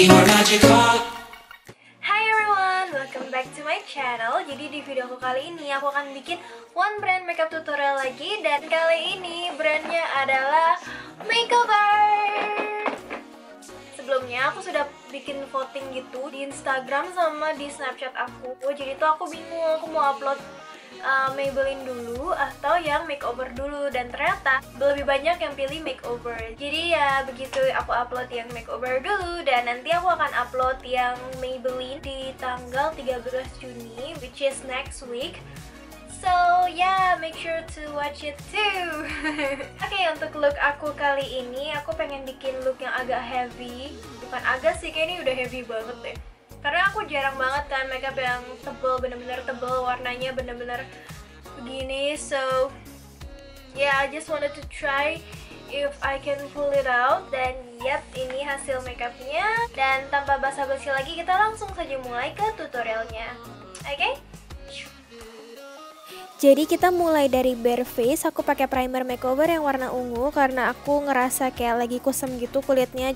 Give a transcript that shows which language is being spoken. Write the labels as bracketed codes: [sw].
[en] Hi everyone, welcome back to my channel. [id] Jadi di video aku kali ini aku akan bikin one brand makeup tutorial lagi, dan kali ini brandnya adalah Makeover. Sebelumnya aku sudah bikin voting gitu di Instagram sama di Snapchat aku. Jadi tuh aku bingung aku mau upload Maybelline dulu atau yang Makeover dulu, dan ternyata lebih banyak yang pilih Makeover. Jadi ya begitu aku upload yang Makeover dulu, dan nanti aku akan upload yang Maybelline di tanggal 13 Juni, [en] which is next week. So yeah, make sure to watch it too. [id] Okay, untuk look aku kali ini, aku pengen bikin look yang agak heavy. Bukan agak sih, kayaknya udah heavy banget deh. Karena aku jarang banget kan makeup yang tebel, bener-bener tebel, warnanya bener-bener begini. [en] So yeah, I just wanted to try if I can pull it out. [id] Dan yep, ini hasil makeupnya. Dan tanpa basa-basi lagi, kita langsung saja mulai ke tutorialnya. Okay? Jadi kita mulai dari bare face. Aku pakai primer makeover yang warna ungu karena aku ngerasa kayak lagi kusam gitu kulitnya.